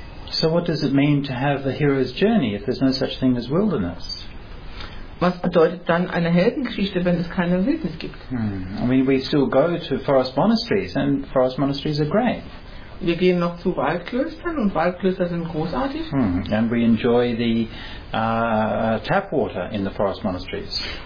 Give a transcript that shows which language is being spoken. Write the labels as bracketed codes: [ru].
[en] So what does it mean to have the hero's journey if there's no such thing as wilderness? [de] Was bedeutet dann eine Heldengeschichte, wenn es keine Wildnis gibt? [en] I mean, we still go to forest monasteries, and forest monasteries are great. [de] Wir gehen noch zu Waldklöstern und Waldklöster sind großartig. [en] And we enjoy the tap water in the forest monasteries.